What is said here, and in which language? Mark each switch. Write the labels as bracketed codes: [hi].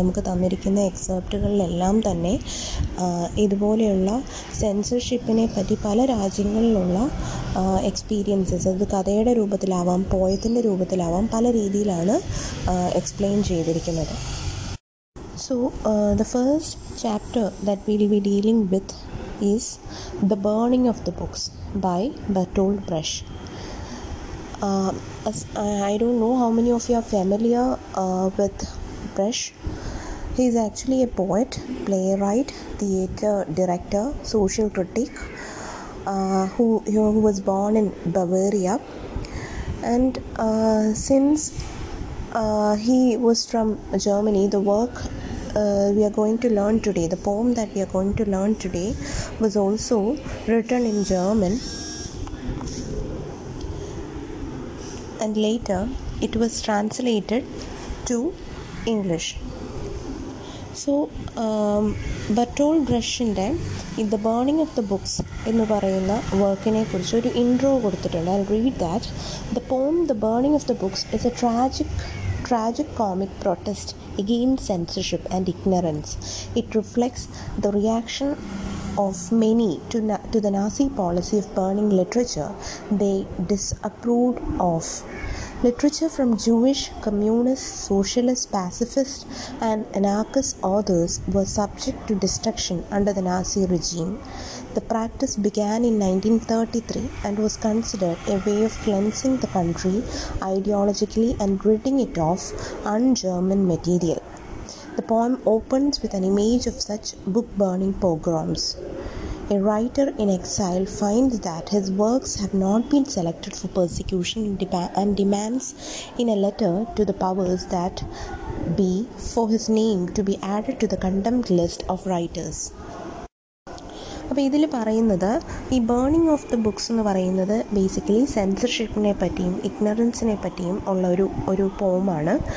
[ml] നമുക്ക് തന്നിരിക്കുന്ന എക്സേപ്റ്റുകളിലെല്ലാം തന്നെ ഇതുപോലെയുള്ള സെൻസർഷിപ്പിനെ പറ്റി പല രാജ്യങ്ങളിലുള്ള എക്സ്പീരിയൻസസ്, അത് കഥയുടെ രൂപത്തിലാവാം, പോയത്തിൻ്റെ രൂപത്തിലാവാം, പല രീതിയിലാണ് എക്സ്പ്ലെയിൻ ചെയ്തിരിക്കുന്നത്. [en] So the first chapter that will be dealing with is the burning of the books by Bertolt Brecht. As I don't know how many of you are familiar with Brecht. He is actually a poet, playwright, theater director, social critic who was born in Bavaria. And since he was from Germany, the work we are going to learn today, the poem that we are going to learn today, was also written in German. And later, it was translated to English. [ml] So ബട്ടോൾ ഡ്രഷിൻ്റെ in the burning of the books എന്ന് പറയുന്ന വർക്കിനെ കുറിച്ച് ഒരു intro കൊടുത്തിട്ടുണ്ട്. [en] I read that. The poem the burning of the books is a tragic comic protest against censorship and ignorance. It reflects the reaction of many to the Nazi policy of burning literature they disapproved of. Literature from Jewish, communist, socialist, pacifist and anarchist authors were subject to destruction under the Nazi regime. The practice began in 1933 and was considered a way of cleansing the country ideologically and ridding it of un-German material. The poem opens with an image of such book-burning pogroms. A writer in exile finds that his works have not been selected for persecution and demands in a letter to the powers that be for his name to be added to the condemned list of writers. [ml] അപ്പോൾ ഇതിൽ പറയുന്നത് ഈ burning of the books എന്ന് പറയുന്നത് basically സെൻസർഷിപ്പിനെ പറ്റിയും ഇഗ്നറൻസിനെ പറ്റിയും ഉള്ള ഒരു ഒരു പോമാണ്.